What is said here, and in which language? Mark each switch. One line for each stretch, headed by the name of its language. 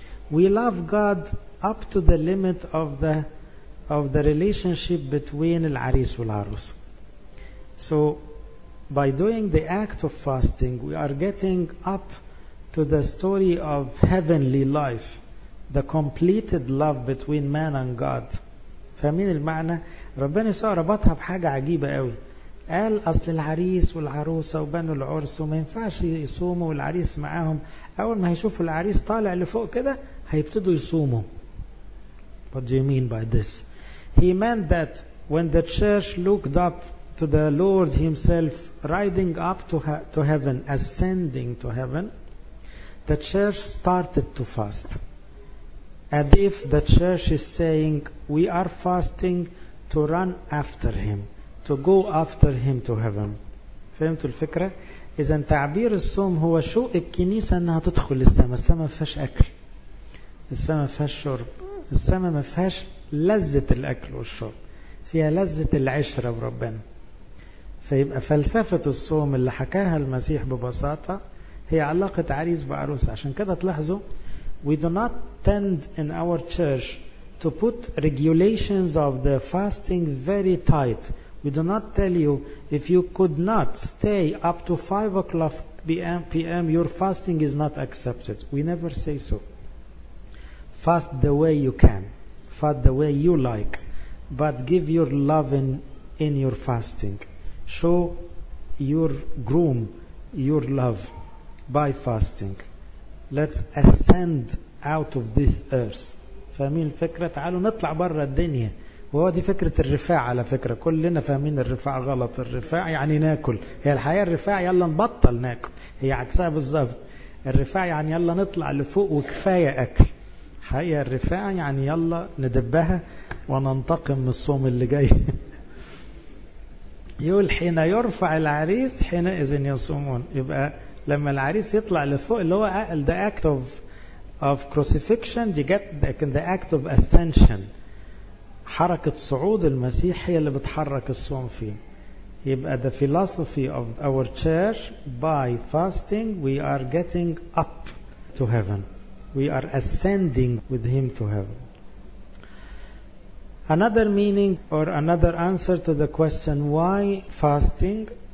English: We love God up to the limit of the relationship between
Arabic: العريس والعروس.
English: So by doing the act of fasting, we are getting up to the story of heavenly life, the completed love between man and God.
Arabic: فاهمين المعنى؟ ربنا يسوع ربطها بحاجة عجيبة قوي. قال أصل العريس والعروسة وبنو العرس وما ينفعش يصوموا والعريس معاهم، أول ما هيشوفوا العريس طالع لفوق كده هيبتدوا يصوموا.
English: What do you mean by this? He meant that when the church looked up to the Lord himself riding up to heaven, ascending to heaven, the church started to fast. And if the church is saying, we are fasting to run after him, to go after him to heaven.
Arabic: فهمتوا الفكرة؟ إذا تعبير الصوم هو شوق الكنيسة أنها تدخل السماء. السماء ما فيهاش أكل، السماء ما فيهاش شرب، السماء ما فيهاش لذة الأكل والشرب، فيها لذة العشرة بربنا. فيبقى فلسفة الصوم اللي حكاها المسيح ببساطة هي علاقة عريس بعروسة. عشان كده تلاحظوا
English: we do not tend in our church to put regulations of the fasting very tight. We do not tell you if you could not stay up to 5 o'clock p.m. your fasting is not accepted. We never say so. Fast the way you can, fast the way you like, but give your love in your fasting. Show your groom your love by fasting. Let's ascend out of this earth.
Arabic: فاهمين الفكرة؟ تعالوا نطلع برا الدنيا. وهو دي فكرة الرفاع على فكرة. كلنا فاهمين الرفاع غلط. الرفاع يعني ناكل. هي الحياة الرفاع يلا نبطل ناكل. هي عكسها بالظبط. الرفاع يعني يلا نطلع لفوق وكفاية أكل. حقيقة الرفاع يعني يلا ندبها وننتقم من الصوم اللي جاي. يقول حين يرفع العريس حينئذ يصومون. يبقى لما العريس يطلع لفوق اللي هو
English: the act of crucifixion you get the act of ascension،
Arabic: حركة صعود المسيح هي اللي بتحرك الصوم فيه.
English: يبقى the philosophy of our church by fasting we are getting up to heaven, we are ascending with him to heaven. Another meaning or another answer to the question why fasting.